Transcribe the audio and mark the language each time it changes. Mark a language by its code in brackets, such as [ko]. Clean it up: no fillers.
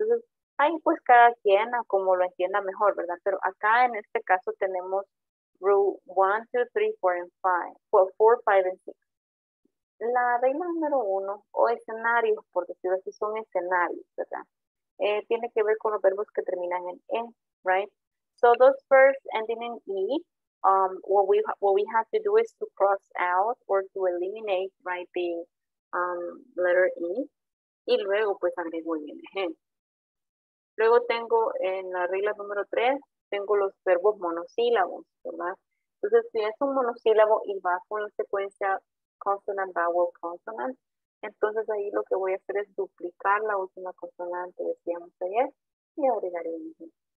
[es] Entonces, ahí pues cada quien a como lo entienda mejor, ¿verdad? Pero acá en este caso tenemos [en] rule 1, 2, 3, 4, and 5. Well, 4, 5, and 6. [es] La regla número 1, o escenarios, por decirlo así, son escenarios, ¿verdad? Tiene que ver con los verbos que terminan en E, right? [en] So those verbs ending in E, what we have to do is to cross out or to eliminate, right, the letter E. [es] Y luego, pues, agrego el ing. Luego tengo en la regla número 3, tengo los verbos monosílabos, ¿verdad? Entonces, si es un monosílabo y va con la secuencia [en] consonant, vowel, consonant, [es] entonces ahí lo que voy a hacer es duplicar la última consonante, decíamos ayer, y agregar el ing.